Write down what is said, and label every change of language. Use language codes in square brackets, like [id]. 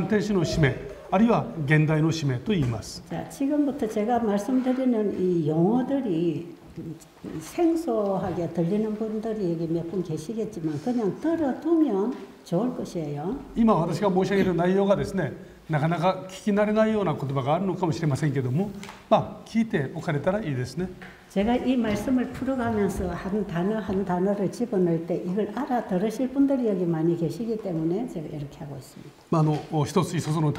[ja] ですからこれを第三天使の使命あるいは現代の使命と言います。 [ko] 자, 지금부터 제가 말씀드리는 이 용어들이 생소하게 들리는 분들이 여기 몇 분 계시겠지만 그냥 들어두면 좋을 것이에요. [ja] 今私が申し上げる内容がですね。なかなか聞き慣れないような言葉があるのかもしれませんけども、まあ聞いておかれたらいいですね。 [ko] 제가 이 말씀을 풀어가면서 한 단어 한 단어를 집어넣을 때 이걸 알아들으실 분들이 여기 많이 계시기 때문에 제가 이렇게 하고 있습니다.